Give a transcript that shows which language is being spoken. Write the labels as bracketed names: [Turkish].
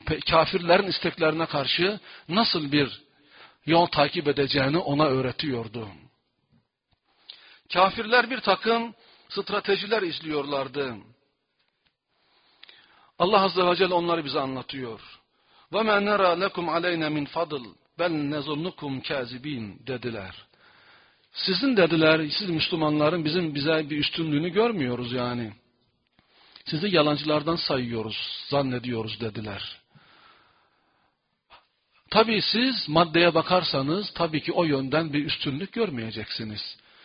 [Turkish] Kafirlerin isteklerine karşı nasıl bir yol takip edeceğini ona öğretiyordu. Kafirler bir takım stratejiler izliyorlardı. Allah Azze ve Celle onları bize anlatıyor. [Arabic] وَمَا نَرَى لَكُمْ عَلَيْنَا مِنْ فَضْلٍ بَلْ نَظُنُّكُمْ كَاذِبِينَ [Turkish] dediler. Sizin dediler, siz Müslümanların bizim bize bir üstünlüğünü görmüyoruz yani. Sizi yalancılardan sayıyoruz, zannediyoruz dediler. Tabii siz maddeye bakarsanız tabii ki o yönden bir üstünlük görmeyeceksiniz.